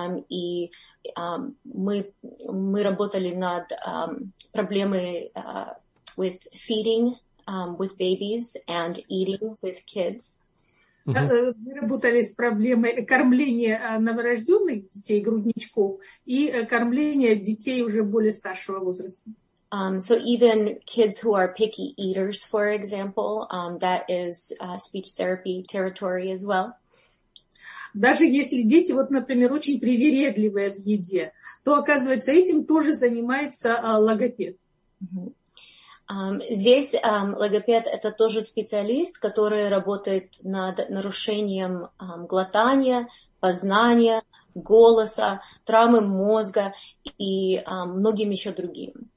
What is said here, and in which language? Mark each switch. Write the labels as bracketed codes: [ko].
[ru] И мы работали над проблемой [en] with feeding with babies and eating with kids. [ru] Мы работали с проблемой кормления новорожденных детей, грудничков, и кормления детей уже более старшего возраста. [en] So even kids who are picky eaters, for example, that is speech therapy territory as well. [ru] Даже если дети, вот, например, очень привередливые в еде, то, оказывается, этим тоже занимается логопед. Здесь логопед – это тоже специалист, который работает над нарушением глотания, познания, голоса, травмы мозга и многим еще другим.